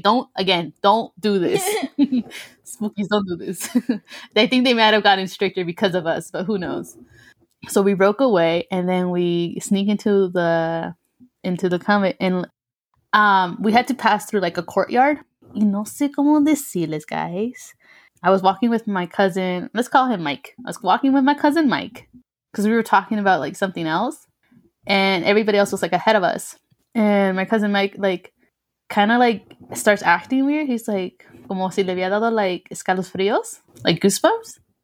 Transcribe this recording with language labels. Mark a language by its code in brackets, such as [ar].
[en] Don't do this. Spookies, don't do this. I think they might have gotten stricter because of us, but who knows? So we broke away, and then we sneak into the convent, and we had to pass through like a courtyard. [es] Y no sé cómo decirles, guys. [en] I was walking with my cousin. Let's call him Mike. I was walking with my cousin Mike because we were talking about like something else, and everybody else was like ahead of us. And my cousin Mike like kind of like starts acting weird. He's like, [es] como si le había dado like escalofríos, [en] like goosebumps.